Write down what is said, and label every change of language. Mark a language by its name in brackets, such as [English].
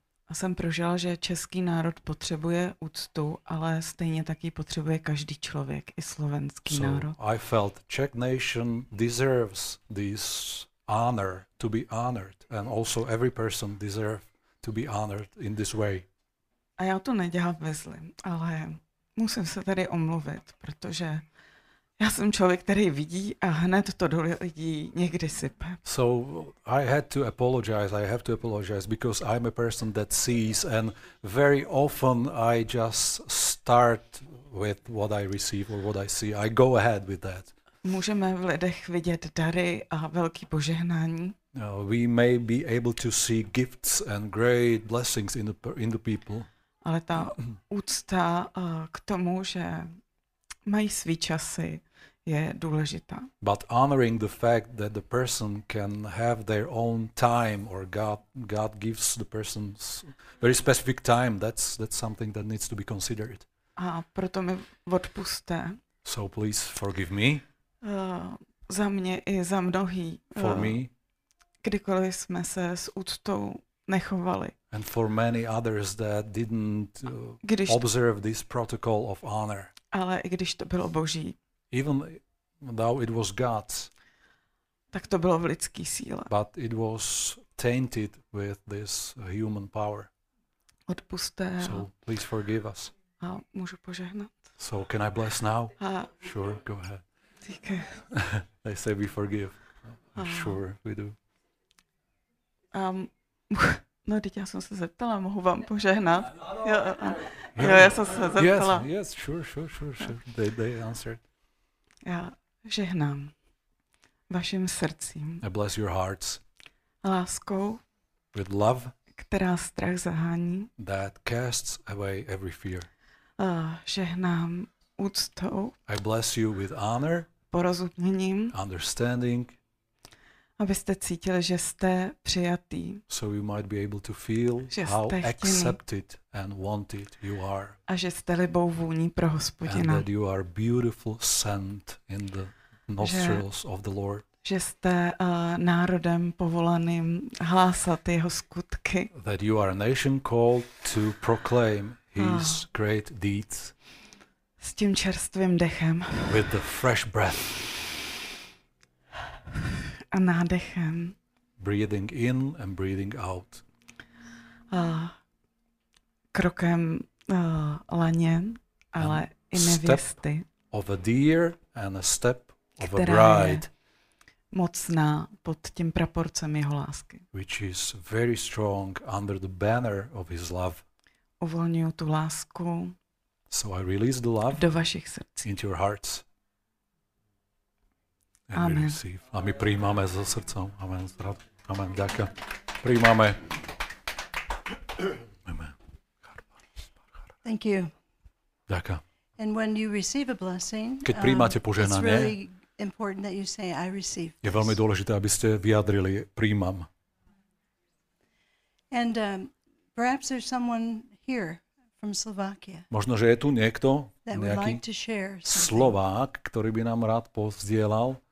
[Czech] A jsem prožila, že český národ potřebuje úctu, ale stejně taky potřebuje každý člověk, i slovenský národ. [English] I felt Czech nation deserves this honor to be honored, and also every person deserve to be honored in this way. [Czech] A já to nedělám ve zlým, ale musím se tady omluvit, protože já jsem člověk, který vidí a hned to do lidí někdy sype. [English] So I had to apologize. I have to apologize because I'm a person that sees, and very often I just start with what I receive or what I see. I go ahead with that. [Czech] Můžeme v lidech vidět dary a velký požehnání. [English] We may be able to see gifts and great blessings in the people. [Czech] Ale ta úcta k tomu, že mají svý časy, je důležitá. [English] But honoring the fact that the person can have their own time, or God gives the person very specific time, that's something that needs to be considered. [Czech] A proto mi odpusťte. [English] So please forgive me. [Czech] Za mě i za mnohý. [English] For me. [Czech] Kdykoliv jsme se s úctou nechovali. [English] And for many others that didn't observe this protocol of honor. [Czech] Ale i když to bylo Boží. [English] Even though it was God's. [Czech] Tak to bylo v lidský síle. [English] But it was tainted with this human power. [Czech] Odpusťte. [English] So please forgive us. [Czech] A můžu požehnat. [English] So can I bless now? A sure, go ahead. [Czech] Díky. [English] They say we forgive. A sure, we do. [Czech] No, teď já jsem se zeptala, mohu vám požehnat? [English] Yeah. [Czech] Jo, já jsem se zeptala. [English] Yes, sure. They answered. [Czech] Já žehnám vašim srdcím. [English] I bless your hearts. [Czech] Láskou. [English] With love. [Czech] Která strach zahání. [English] That casts away every fear. [Czech] Žehnám úctou. [English] I bless you with honor. [Czech] Porozuměním. [English] Understanding. [Czech] Abyste cítili, že jste přijatý. [English] So you might be able to feel how [Czech] chtěný. [English] Accepted and wanted you are. [Czech] A že jste libou vůní pro Hospodina. [English] And that you are beautiful scent in the nostrils of the Lord. [Czech] Že jste národem povolaným hlásat jeho skutky. [English] That you are a nation called to proclaim his great deeds. [Czech] S tím čerstvým dechem. [English] With the fresh breath. [Czech] A nádechem. [English] Breathing in and breathing out. [Czech] Krokem laně, ale i nevěsty. [English] Of a deer and a step of a bride. [Czech] Mocná pod tím praporcem jeho lásky. [English] Which is very strong under the banner of his love. [Czech] Uvolňuji tu lásku. [English] So I release the love [Czech] do vašich srdcí. [English] Into your hearts. [Czech] Amen. [Slovak] A my prijímáme za srdcom. Amen. Zdrav. Amen. Ďakujem. Prijímáme. Amen. [English] Thank you. [Slovak] Ďakujem. [English] And when you receive a blessing, [Slovak] keď prijímate požehnanie, [English] it's really important that you say I receive. [Slovak] Je veľmi dôležité, aby ste vyjadrili prijímam. [English] And perhaps there's someone here from Slovakia. [Slovak] Možno že je tu niekto, nejaký Slovák, ktorý by nám rád pozdielal.